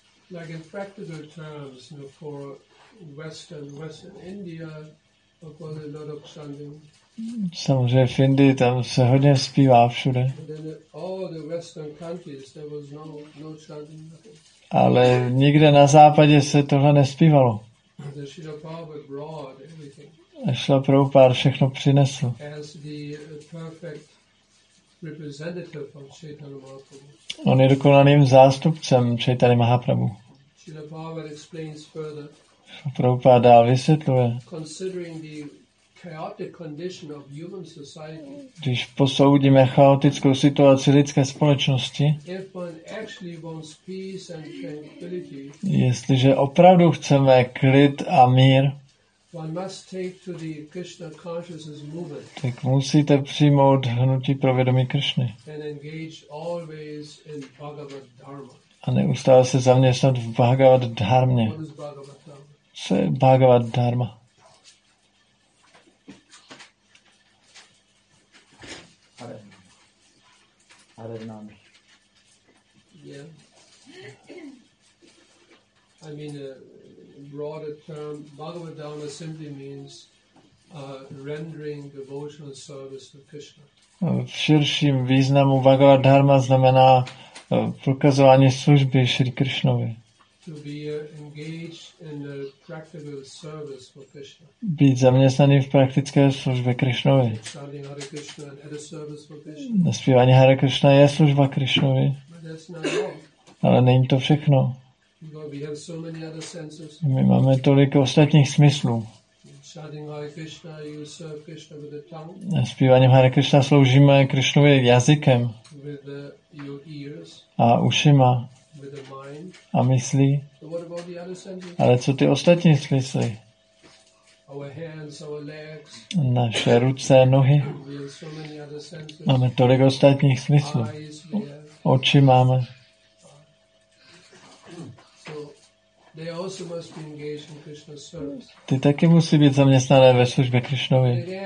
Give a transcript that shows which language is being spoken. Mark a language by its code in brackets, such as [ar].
[en] Like in practical terms, you know, for Western India, of course, a lot of chanting. [cs] Samozřejmě v Indii, tam se hodně zpívá všude. [en] All the Western countries, there was no chanting. [cs] Ale nikde na západě se tohle nespívalo. [en] The Srila Prabhupada brought everything. [cs] Srila Prabhupada všechno přinesl. [en] As the perfect representative of Chaitanya Mahaprabhu. [cs] On je dokonalým zástupcem Chaitanya Mahaprabhu. [en] Srila Prabhupada explains further. [cs] Prabhupada dál vysvětluje. [en] Considering the chaotic condition of human society. [cs] Když posoudíme chaotickou situaci lidské společnosti. [en] If one actually wants peace and tranquility. [cs] Jestliže opravdu chceme klid a mír. [en] One must take to the Krishna consciousness movement. [cs] Tak musíte přijmout hnutí pro vědomí Krishny. [en] And engage always in Bhagavad Dharma. [cs] A neustále se zaměstnat v Bhagavad Dharmě. Co je Bhagavad Dharma? Hare Nam. [en] Yeah. I mean, a broader term, Bhagavad Dharma simply means rendering devotional service to Krishna. [cs] V širším významu Bhagavad Dharma znamená prokazování služby Šri Krishnovi. [en] To be engaged in a practical service for Krishna. [cs] Být zaměstnaný v praktické službě Krishnovi. [en] Chanting Hare Krishna and other service for [cs] Krishna. Naspívání Hare Krishna je služba Krishnovi. [en] But that's not all. [cs] Ale není to všechno. [en] But we have so many other senses. [cs] My máme tolik ostatních smyslů. [en] Chanting Hare Krishna, you serve Krishna with the tongue. [cs] Naspíváním Hare Krishna sloužíme Krishnovi jazykem. [en] With the [cs] a ušima [en] with the mind. [cs] A myslí. [en] So what about the other senses? [cs] Ale co ty ostatní smysly? [en] Our hands, our legs. [cs] Naše ruce, nohy. [en] We have so many other senses. [cs] Máme tolik ostatních smyslů. [en] Eyes, we have. [cs] Oči máme. [en] So they also must be engaged in Krishna's service. [cs] Ty taky musí být zaměstnané ve službě Krishnovi.